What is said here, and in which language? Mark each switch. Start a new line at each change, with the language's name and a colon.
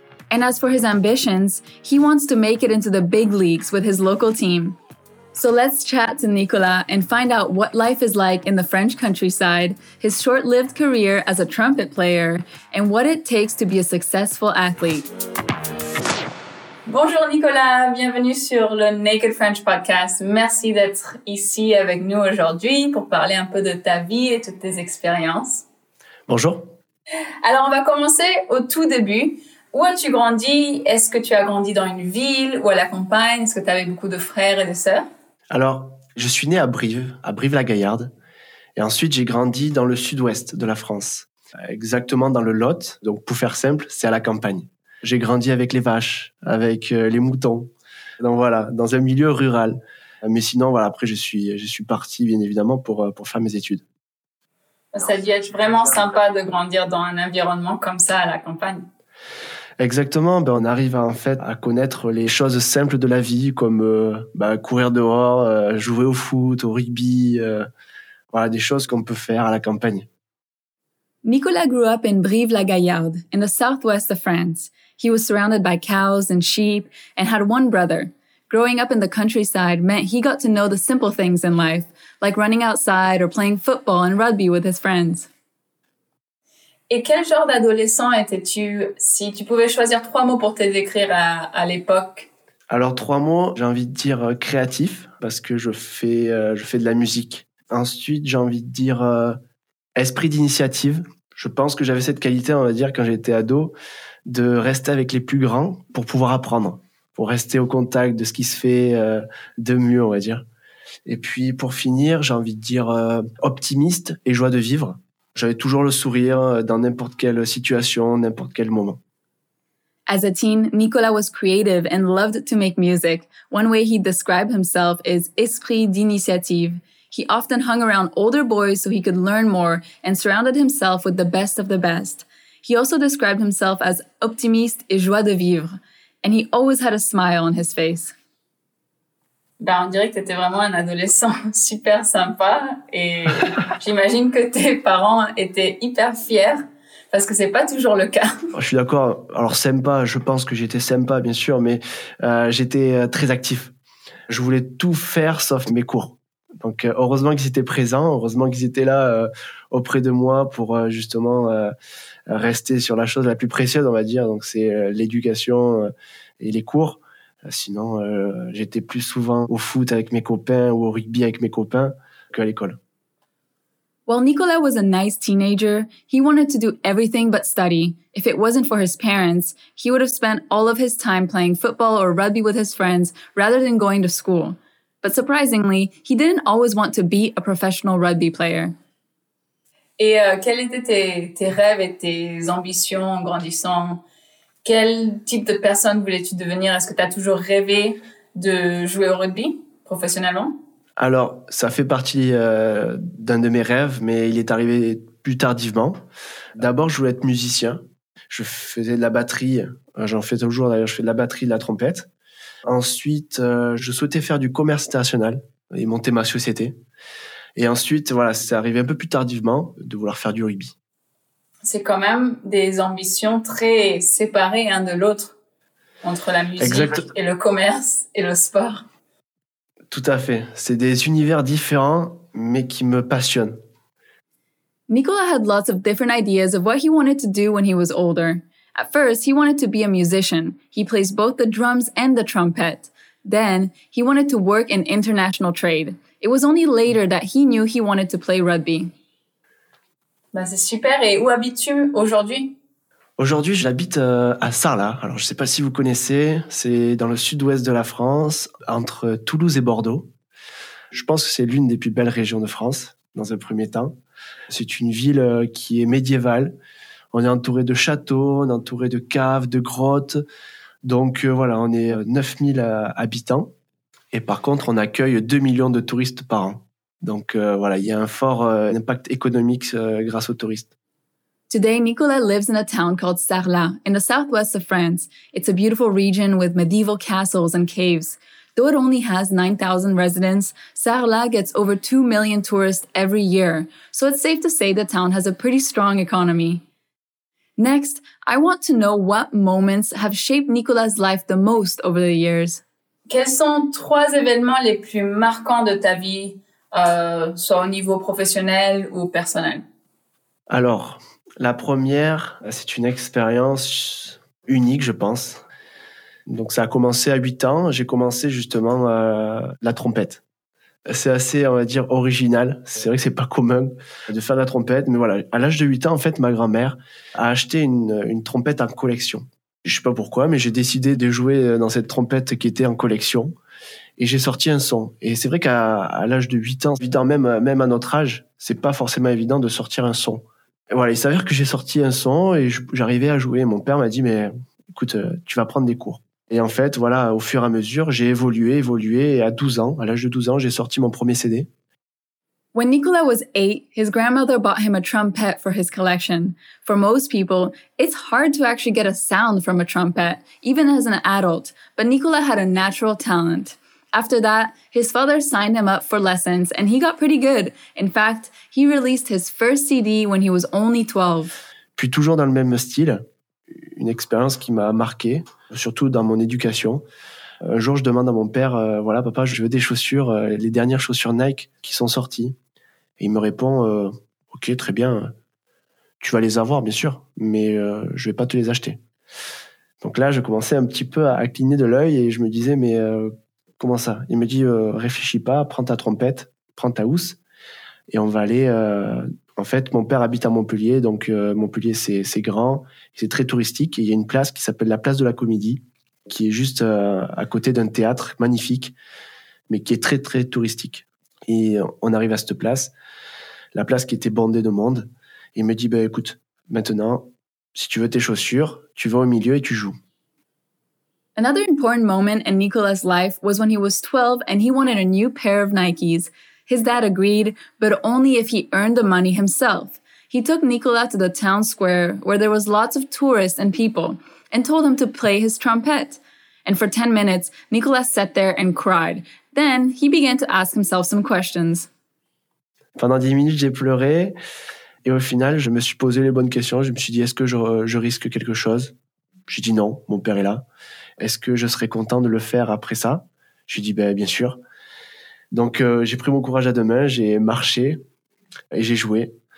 English: And as for his ambitions, he wants to make it into the big leagues with his local team. So let's chat to Nicolas and find out what life is like in the French countryside, his short-lived career as a trumpet player, and what it takes to be a successful athlete.
French: Bonjour Nicolas, bienvenue sur le Naked French Podcast. Merci d'être ici avec nous aujourd'hui pour parler un peu de ta vie et toutes tes expériences. Bonjour. Alors on va commencer au tout début. Où as-tu grandi? Est-ce que tu as grandi dans une ville ou à la campagne? Est-ce que tu avais beaucoup de frères et de sœurs? Alors, je suis né à Brive-la-Gaillarde. Et ensuite, j'ai grandi dans le sud-ouest de la France. Exactement dans le Lot. Donc, pour faire simple, c'est à la campagne. J'ai grandi avec les vaches, avec les moutons. Donc voilà, dans un milieu rural. Mais sinon, voilà, après, je suis parti, bien évidemment, pour faire mes études. Ça a dû être vraiment sympa de grandir dans un environnement comme ça à la campagne. Exactement, ben on arrive à connaître les choses simples de la vie comme courir dehors, jouer au foot, au rugby, voilà des choses qu'on peut faire à la campagne.
English: Nicolas grew up in Brive-la-Gaillarde in the southwest of France. He was surrounded by cows and sheep and had one brother. Growing up in the countryside meant he got to know the simple things in life, like running outside or playing football and rugby with his friends.
French: Et quel genre d'adolescent étais-tu, si tu pouvais choisir trois mots pour te décrire à l'époque? Alors trois mots, j'ai envie de dire créatif, parce que je fais de la musique. Ensuite, j'ai envie de dire esprit d'initiative. Je pense que j'avais cette qualité, on va dire, quand j'étais ado, de rester avec les plus grands pour pouvoir apprendre, pour rester au contact de ce qui se fait de mieux, on va dire. Et puis pour finir, j'ai envie de dire optimiste et joie de vivre. J'avais toujours le sourire dans n'importe quelle situation, n'importe quel moment.
English: As a teen, Nicolas was creative and loved to make music. One way he described himself is
French: esprit d'initiative.
English: He often hung around older boys so he could learn more and surrounded himself with the best of the best. He also described himself as
French: optimiste et joie de vivre.
English: And he always had a smile on his face.
French: Ben, on dirait que t'étais vraiment un adolescent super sympa et j'imagine que tes parents étaient hyper fiers parce que c'est pas toujours le cas. Oh, je suis d'accord. Alors sympa, je pense que j'étais sympa bien sûr, mais j'étais très actif. Je voulais tout faire sauf mes cours. Donc heureusement qu'ils étaient présents, heureusement qu'ils étaient là auprès de moi pour justement rester sur la chose la plus précieuse, on va dire. Donc c'est l'éducation et les cours. Sinon, j'étais plus souvent au foot avec mes copains ou au rugby avec mes copains qu'à l'école.
English: While Nicolas was a nice teenager, he wanted to do everything but study. If it wasn't for his parents, he would have spent all of his time playing football or rugby with his friends rather than going to school. But surprisingly, he didn't always want to be a professional rugby player.
French: Et quels étaient tes rêves et tes ambitions en grandissant? Quel type de personne voulais-tu devenir? Est-ce que tu as toujours rêvé de jouer au rugby professionnellement? Alors, ça fait partie d'un de mes rêves, mais il est arrivé plus tardivement. D'abord, je voulais être musicien. Je faisais de la batterie. J'en fais toujours, d'ailleurs, je fais de la batterie, de la trompette. Ensuite, je souhaitais faire du commerce international et monter ma société. Et ensuite, voilà, c'est arrivé un peu plus tardivement de vouloir faire du rugby. C'est quand même des ambitions très séparées l'un de l'autre, entre la musique et le commerce et le sport. Tout à fait. C'est des univers différents, mais qui me passionnent.
English: Nicolas had lots of different ideas of what he wanted to do when he was older. At first, he wanted to be a musician. He plays both the drums and the trumpet. Then, he wanted to work in international trade. It was only later that he knew he wanted to play rugby.
French: Ben c'est super. Et où habites-tu aujourd'hui? Aujourd'hui, j'habite à Sarlat. Alors, je ne sais pas si vous connaissez. C'est dans le sud-ouest de la France, entre Toulouse et Bordeaux. Je pense que c'est l'une des plus belles régions de France, dans un premier temps. C'est une ville qui est médiévale. On est entouré de châteaux, on est entouré de caves, de grottes. Donc voilà, on est 9000 habitants. Et par contre, on accueille 2 millions de touristes par an. Donc voilà, il y a un fort impact économique grâce aux touristes.
English: Today, Nicolas lives in a town called Sarlat, in the southwest of France. It's a beautiful region with medieval castles and caves. Though it only has 9,000 residents, Sarlat gets over 2 million tourists every year. So it's safe to say the town has a pretty strong economy. Next, I want to know what moments have shaped Nicolas' life the most over the years.
French: Quels sont trois événements les plus marquants de ta vie, soit au niveau professionnel ou personnel? Alors, la première, c'est une expérience unique, je pense. Donc, ça a commencé à 8 ans. J'ai commencé justement la trompette. C'est assez, on va dire, original. C'est vrai que c'est pas commun de faire de la trompette. Mais voilà, à l'âge de 8 ans, en fait, ma grand-mère a acheté une trompette en collection. Je sais pas pourquoi, mais j'ai décidé de jouer dans cette trompette qui était en collection. Et j'ai sorti un son. Et c'est vrai qu'à l'âge de 8 ans, même à notre âge, c'est pas forcément évident de sortir un son. Et voilà, il s'avère que j'ai sorti un son et j'arrivais à jouer. Mon père m'a dit, mais écoute, tu vas prendre des cours. Et en fait, voilà, au fur et à mesure, j'ai évolué. Et à 12 ans, à l'âge de 12 ans, j'ai sorti mon premier CD.
English: When Nicolas was 8, his grandmother bought him a trumpet for his collection. For most people, it's hard to actually get a sound from a trumpet, even as an adult. But Nicolas had a natural talent. After that, his father signed him up for lessons, and he got pretty good. In fact, he released his first CD when he was only 12.
French: Puis toujours dans le même style, une expérience qui m'a marqué, surtout dans mon éducation. Un jour, je demande à mon père, voilà, papa, je veux des chaussures, les dernières chaussures Nike qui sont sorties. Et il me répond, ok, très bien, tu vas les avoir, bien sûr, mais je ne vais pas te les acheter. Donc là, je commençais un petit peu à cligner de l'œil et je me disais, mais comment ça? Il me dit, réfléchis pas, prends ta trompette, prends ta housse et on va aller... En fait, mon père habite à Montpellier, donc Montpellier, c'est grand, c'est très touristique. Et il y a une place qui s'appelle la Place de la Comédie, qui est juste à côté d'un théâtre magnifique, mais qui est très, très touristique. Et on arrive à cette place, la place qui était bondée de monde. Et il me dit, bah, écoute, maintenant, si tu veux tes chaussures, tu vas au milieu et tu joues.
English: Another important moment in Nicolas' life was when he was 12 and he wanted a new pair of Nikes. His dad agreed, but only if he earned the money himself. He took Nicolas to the town square, where there was lots of tourists and people, and told him to play his trumpet. And for 10 minutes, Nicolas sat there and cried. Then he began to ask himself some questions.
French: Pendant 10 minutes, j'ai pleuré. Et au final, je me suis posé les bonnes questions. Je me suis dit, est-ce que je risque quelque chose? J'ai dit non, mon père est là. Est-ce que je serais content de le faire après ça? J'ai dit, ben, bien sûr. Donc j'ai pris mon courage à deux mains, j'ai marché et j'ai joué.